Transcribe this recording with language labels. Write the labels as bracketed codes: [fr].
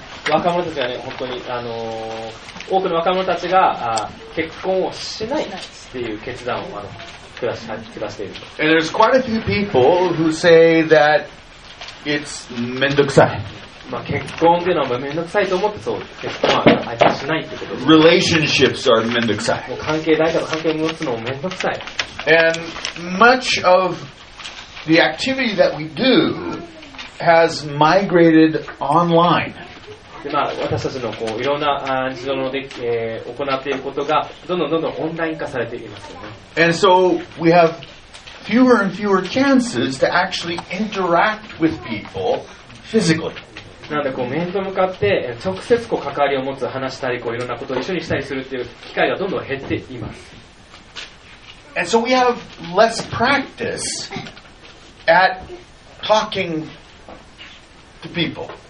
[ja] 若者たちがね、本当に多くの若者たちが結婚をしないっていう決断を [en] And there's quite a few people who say that it's めんどくさい。 [ja] まあ結婚というのはめんどくさいと思ってそう。結婚は相手しないってこと。 [en] Relationships are めんどくさい。 [ja] もう関係、誰かと関係を持つのもめんどくさい。 [en] And much of the activity that we do has migrated online. [ja] でまあ、私たちのこういろんな日常ので、行っていることがどんどんどんどんオンライン化されていますよね。 [en] And so we have fewer and fewer chances to actually interact with people physically. [ja] なんでこう面と向かって直接こう関わりを持つ、話したりこういろんなことを一緒にしたりするっていう機会がどんどん減っています。 [en] And so we have less practice at talking to people.